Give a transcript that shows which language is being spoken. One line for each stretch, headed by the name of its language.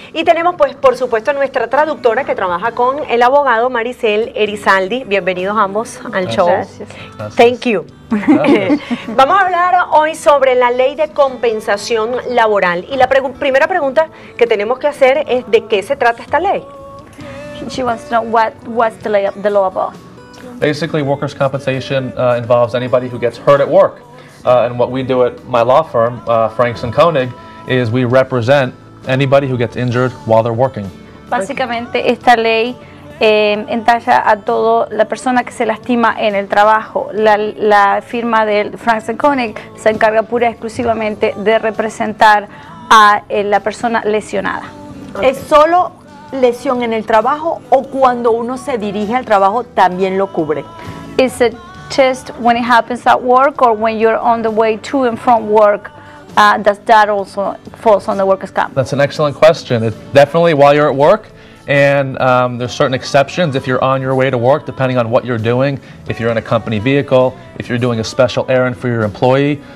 Spanish: Y tenemos, pues, por supuesto, nuestra traductora que trabaja con el abogado Maricel Erizar. Aldi, bienvenidos ambos al show. Gracias.
English: Thank you.
Spanish: Vamos a hablar hoy sobre la Ley de Compensación Laboral. Y la primera pregunta que tenemos que hacer es, ¿de qué se trata esta ley?
English: She wants to know what's the law about. Basically, workers' compensation involves anybody who gets hurt at work. And what we do at my law firm, Franks and Koenig, is we represent anybody who gets injured while they're working.
Spanish: Básicamente, esta ley entalla a toda la persona que se lastima en el trabajo. La firma de Franks & Koenig se encarga pura y exclusivamente de representar a la persona lesionada.
English: Okay.
Spanish: ¿Es solo lesión en el trabajo o cuando uno se dirige al trabajo también lo cubre?
English: Is it just when it happens at work or when you're on the way to and from work? Does that also falls on the workers' comp? That's an excellent question. It definitely while you're at work. And there's certain exceptions if you're on your way to work, depending on what you're doing, if you're in a company vehicle, if you're doing a special errand for your employee.